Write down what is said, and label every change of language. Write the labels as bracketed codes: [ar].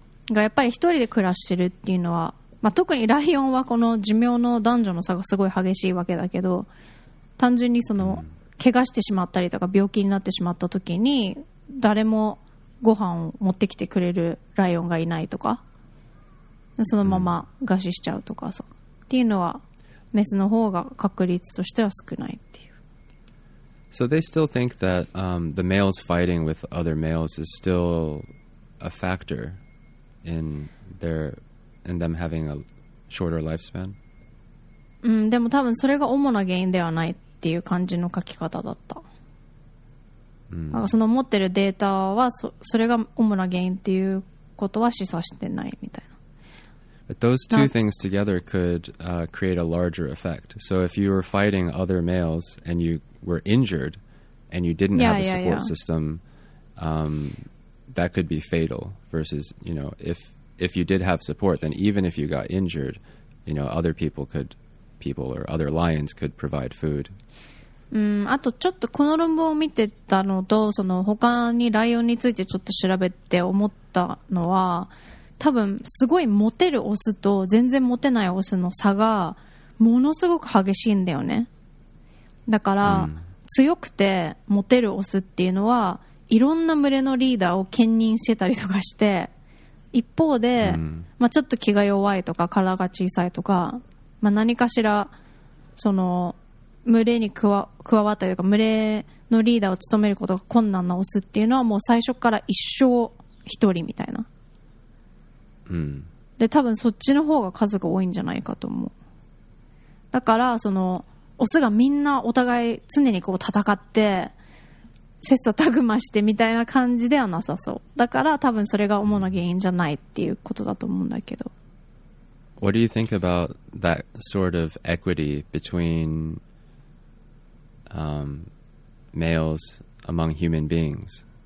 [ja] がやっぱり一人で暮らしてるっていうのは、まあ、特にライオンはこの寿命の男女の差がすごい激しいわけだけど、単純にその怪我してしまったりとか病気になってしまった時に誰もご飯を持ってきてくれるライオンがいないとか、そのまま餓死しちゃうとかさ、うん、っていうのはメスの方が確率としては少ないっていう。 [en] So they still think that、the males fighting with other males is still a factor in their and them having a shorter lifespan? [ja] うん、でも多分それが主な原因ではないっていう感じの書き方だった。なんかその持ってるデータは それが主な原因っていうことは示唆してないみたいな。 [en] But those two things together could、create a larger effect. So if you were fighting other males and you were injured and you didn't have a support system, that could be fatal versus, you know, if you did have support, then even if you got injured, you know, other people could, people or other lions could provide food. [ja] あとちょっとこの論文を見てたのと、その他にライオンについてちょっと調べて思ったのは、多分すごいモテるオスと全然モテないオスの差がものすごく激しいんだよね。だから強くてモテるオスっていうのはいろんな群れのリーダーを兼任してたりとかして、一方で、まあ、ちょっと気が弱いとか体が小さいとか、まあ、何かしらその群れに加わったというか群れのリーダーを務めることが困難なオスっていうのはもう最初から一生一人みたいな、で多分そっちの方が数が多いんじゃないかと思う。だからそのオスがみんなお互い常にこう戦って切磋琢磨してみたいな感じではなさそう。だから多分それが主な原因じゃないっていうことだと思うんだけど。 [en] What do you think about that sort of equity between males among human beings?